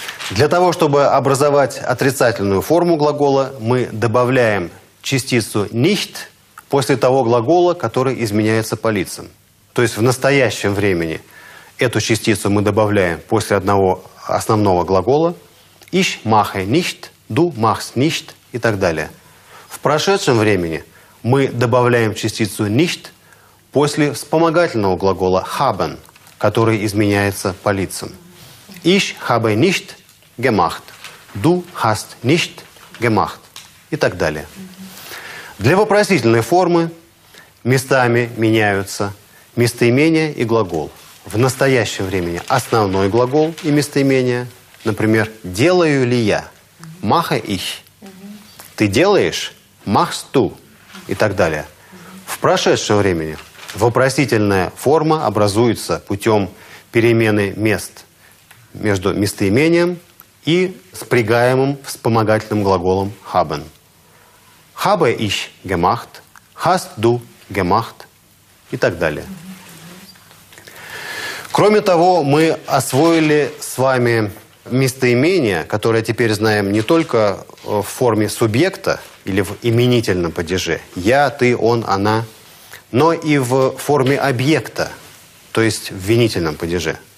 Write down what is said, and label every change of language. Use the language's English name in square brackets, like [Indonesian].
[Russian] Для того, чтобы образовать отрицательную форму глагола, мы добавляем частицу nicht после того глагола, который изменяется по лицам. То есть в настоящем времени эту частицу мы добавляем после одного основного глагола. [German] Ich mache nicht, du machst nicht [Russian] и так далее. В прошедшем времени мы добавляем частицу nicht после вспомогательного глагола haben, который изменяется по лицам. [German] Ich habe nicht gemacht, [Russian] du hast nicht gemacht и так далее. Для вопросительной формы местами меняются местоимение и глагол. В настоящее время основной глагол и местоимение. Например, делаю ли я? [German] Mache ich. [Russian] Ты делаешь? [German] Machst du. [Russian] И так далее. В прошедшем времени вопросительная форма образуется путем перемены мест между местоимением и спрягаемым вспомогательным глаголом haben. [German] Habe ich gemacht, hast du gemacht [Russian] и так далее. Кроме того, мы освоили с вами местоимение, которое теперь знаем не только в форме субъекта или в именительном падеже «я», «ты», «он», «она», но и в форме объекта, то есть в винительном падеже.